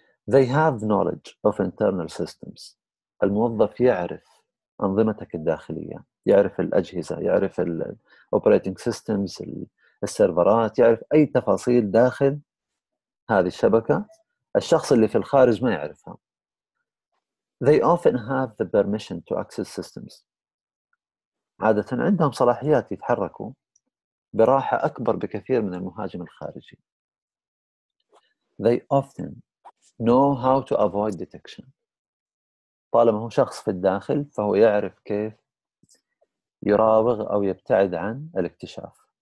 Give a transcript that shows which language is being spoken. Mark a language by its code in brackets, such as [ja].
[en] They have knowledge of internal systems. [ar] الموظف يعرف أنظمتك الداخلية، يعرف الأجهزة، يعرف الـ operating systems، السيرفرات، يعرف أي تفاصيل داخل هذه الشبكة الشخص اللي في الخارج ما يعرفها. [en] They often have the permission to access systems. [ar] عادة عندهم صلاحيات يتحركوا براحة أكبر بكثير من المهاجم الخارجي. [en] They often know how to avoid detection. [ar] طالما هو شخص في الداخل فهو يعرف كيف يراوغ أو يبتعد عن الاكتشاف.